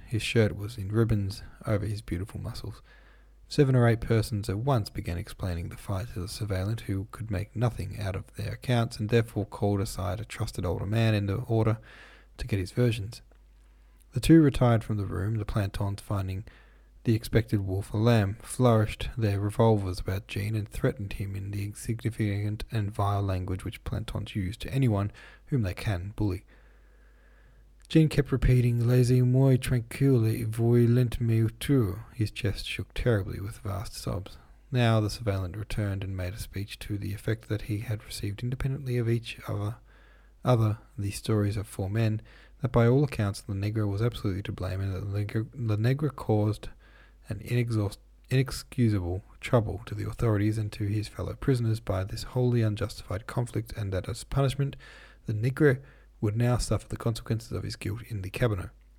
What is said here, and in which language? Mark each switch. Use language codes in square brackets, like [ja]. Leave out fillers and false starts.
[en] His shirt was in ribbons over his beautiful muscles. Seven or eight persons at once began explaining the fight to the surveillant, who could make nothing out of their accounts, and therefore called aside a trusted older man in the order to get his versions. The two retired from the room, the plantons finding the expected wolf a lamb, flourished their revolvers about Jean and threatened him in the insignificant and vile language which plantons use to anyone whom they can bully. Jean kept repeating, [fr] "Laissez moi tranquille, vous l'entendez tout." [en] His chest shook terribly with vast sobs. Now the surveillant returned and made a speech to the effect that he had received independently of each other the stories of four men, that by all accounts Le Nigre was absolutely to blame, and that Le Nigre caused an inexcusable trouble to the authorities and to his fellow prisoners by this wholly unjustified conflict, and that as punishment Le Nigre would now suffer the consequences of his guilt in the cabinet.